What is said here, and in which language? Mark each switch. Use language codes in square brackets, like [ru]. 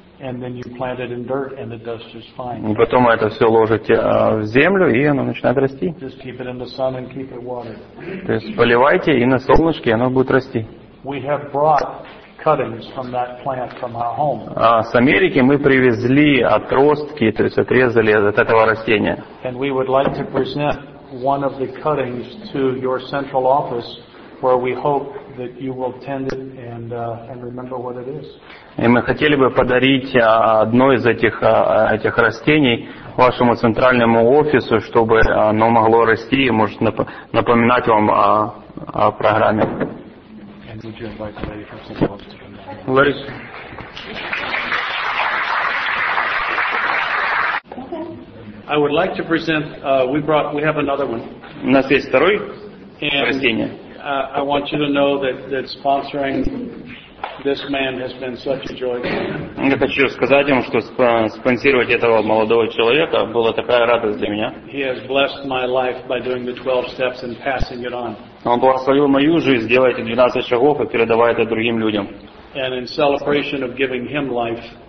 [en] And then you plant it in dirt, and it does just fine. [ru] И потом это все ложите в землю, и оно начинает расти. [en] Just keep it in the sun and keep it watered. [ru] То есть поливайте, и на солнышке оно будет расти. [en] We have brought cuttings from that plant from our home. [ru] С Америки мы привезли отростки, то есть отрезали от этого растения. [en] And we would like to present one of the cuttings to your central office, where we hope that you will tend it and remember what it is. [ru] И мы хотели бы подарить одно из этих растений вашему центральному офису, чтобы оно могло расти и может напоминать вам о программе. Ларис. [en] I would like to present, we have another one. [ru] У нас есть второй растение. [en] I want you to know that sponsoring this man has been such a joy. [ru] Я хочу сказать ему, что спонсировать этого молодого человека была такая радость для меня. [en] He has blessed my life by doing the 12 steps and passing it on. [ru] Он благословил мою жизнь, сделав 12 шагов и передавая это другим людям. [en] And in celebration of giving him life.